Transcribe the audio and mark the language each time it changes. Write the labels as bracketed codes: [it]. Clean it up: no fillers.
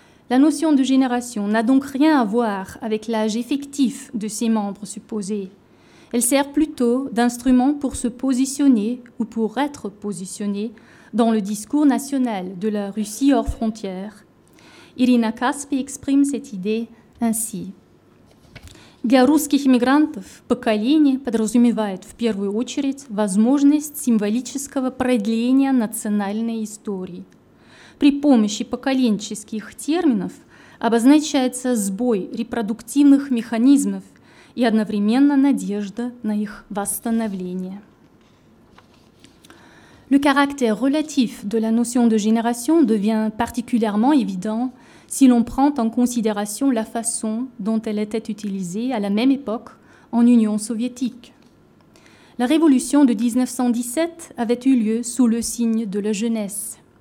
[fr] La notion de génération n'a donc rien à voir avec l'âge effectif de ses membres supposés. Elle sert plutôt d'instrument pour se positionner ou pour être positionné dans le discours national de la Russie hors frontières. Irina Kaspi exprime cette idée ainsi. [ru] Для русских иммигрантов поколение подразумевает в первую очередь возможность символического продления национальной истории. При помощи поколенческих терминов обозначается сбой репродуктивных механизмов и одновременно надежда на их восстановление. [fr] Le caractère relatif de la notion de génération devient particulièrement évident si l'on prend en considération la façon dont elle était utilisée à la même époque en Union soviétique. La révolution de 1917 avait eu lieu sous le signe de la jeunesse.